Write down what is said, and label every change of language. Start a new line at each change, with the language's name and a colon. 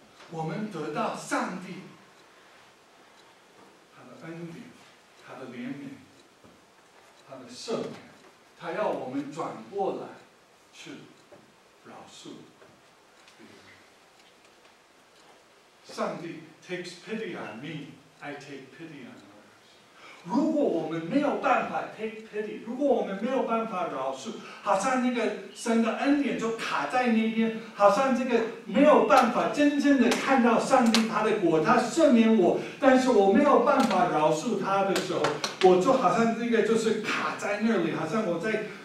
Chinese: 我们得到上帝他的恩典、他的怜悯、他的赦免。他要我们转过来去饶恕别人。
English: 上帝 takes pity on me, I take pity on others.
Chinese: 如果我们没有办法
English: take pity,
Chinese: 如果我们没有办法饶恕，好像那个神的恩典就卡在那边，好像这个没有办法真正的看到上帝他的果，他赦免我，但是我没有办法饶恕他的时候，我就好像那个就是卡在那里，好像我在